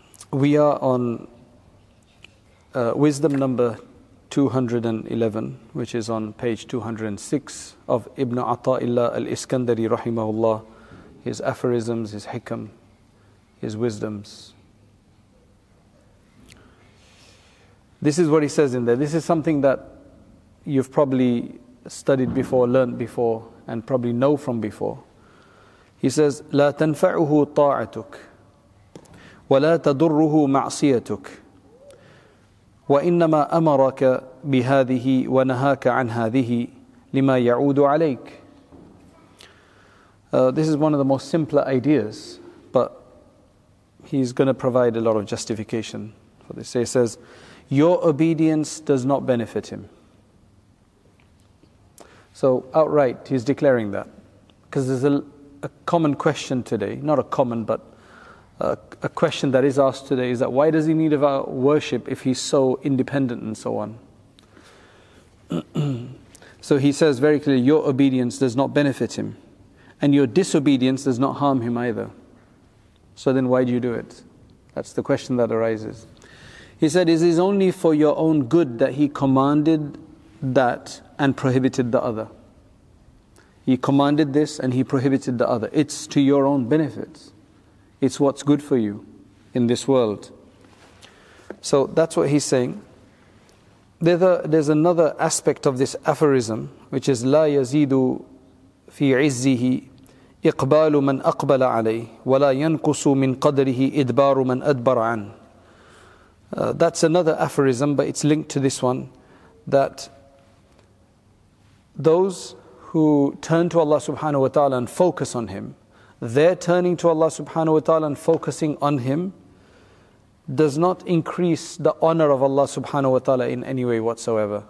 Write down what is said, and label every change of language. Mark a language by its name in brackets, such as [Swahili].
[English] We are on wisdom number 211, which is on page 206 of Ibn Ata'illah al-Iskandari rahimahullah, his aphorisms, his hikam, his wisdoms. This is what he says in there. This is something that you've probably studied before, learned before, and probably know from before. He says, [Arabic] لا تنفعه طاعتك ولا تضره معصيتك وإنما أمرك بهذه ونهاك عن هذه لما يعود عليك. [English] This is one of the most simpler ideas, but he's going to provide a lot of justification for this. So he says, your obedience does not benefit him. So outright, he's declaring that. Because there's a common question today, not a common, but a question that is asked today is that why does he need our worship if he's so independent and so on? So he says very clearly, your obedience does not benefit him. And your disobedience does not harm him either. So then why do you do it? That's the question that arises. He said, it is only for your own good that he commanded that and prohibited the other. He commanded this and he prohibited the other. It's to your own benefit. It's what's good for you in this world. So that's what he's saying. There's another aspect of this aphorism, which is, [Arabic] لا يزيد في عزه إقبال من أقبل عليه ولا ينقص من قدره إدبار من أدبر عنه. [English] That's another aphorism, but it's linked to this one, that those who turn to Allah subhanahu wa ta'ala and focus on Him, their turning to Allah subhanahu wa ta'ala and focusing on Him does not increase the honor of Allah subhanahu wa ta'ala in any way whatsoever.